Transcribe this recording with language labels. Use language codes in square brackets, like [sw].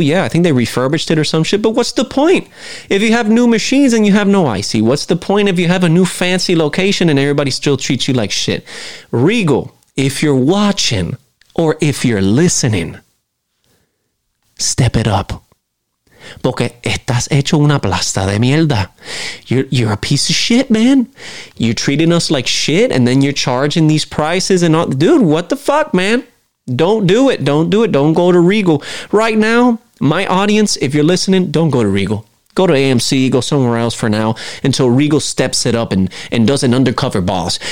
[en] Yeah, I think they refurbished it or some shit. But what's the point? If you have new machines and you have no icy, what's the point if you have a new fancy location and everybody still treats you like shit? Regal, if you're watching, or if you're listening, step it up. [es] Porque estás hecho una plasta de mierda. [en] You're a piece of shit, man. You're treating us like shit, and then you're charging these prices and all. Dude, what the fuck, man? Don't do it. Don't do it. Don't go to Regal. Right now, my audience, if you're listening, don't go to Regal. Go to AMC, go somewhere else for now until Regal steps it up and does an undercover boss.